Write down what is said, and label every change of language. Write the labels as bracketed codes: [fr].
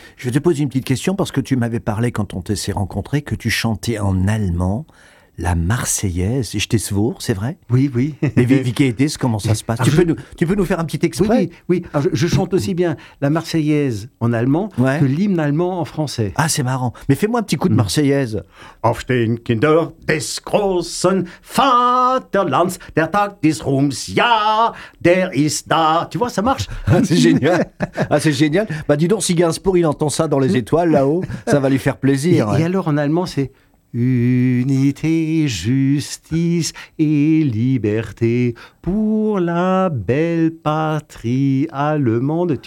[fr] Je te pose une petite question, parce que tu m'avais parlé quand on s'est rencontré que tu chantais en allemand. La Marseillaise, je t'ai souvent, c'est vrai? Oui, oui. Mais Vicky, comment ça se passe? Tu peux nous faire un petit exprès? Oui, oui. Alors, je chante aussi bien la Marseillaise en allemand, ouais, que l'hymne allemand en français. Ah, c'est marrant. Mais fais-moi un petit coup de Marseillaise. [de] Auf den Kinder des großen Vaterlands, der Tag des Ruhms, ja, der ist da. [fr] Tu vois, ça marche. C'est génial. Ah, c'est génial. Bah, dis donc, si Gainsbourg, il entend ça dans les étoiles, là-haut, ça va lui faire plaisir. Et, ouais, et alors, en allemand, c'est... Unité, justice et liberté pour la belle patrie allemande.